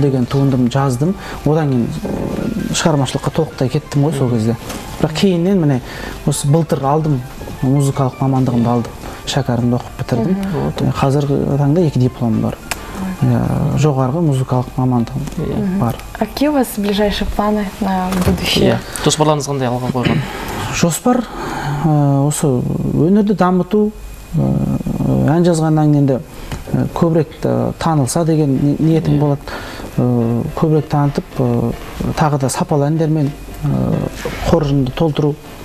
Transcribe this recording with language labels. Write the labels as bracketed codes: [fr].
[kk] деген туындым жаздым. Одан кейін шығармашылыққа толықтай кеттім ғой сол кезде. Бірақ кейіннен міне осы былтыр алдым музыкалық мамандығымды алдым. Шәкәрімді оқып бітірдім. Қазіргі таңда 2 дипломым бар. Жоғарғы музыкалық мамандығым бар. [ru] А какие у вас ближайшие планы на будущее? [kk] Жоспарларыңыз қандай алға қойған? Жоспар осы өнерді дамыту, ән жазғаннан кейін де көбірек танылса деген ниетім болады. Көбірек танытып, тағы да сапалы әндермен қоржынды толтыру.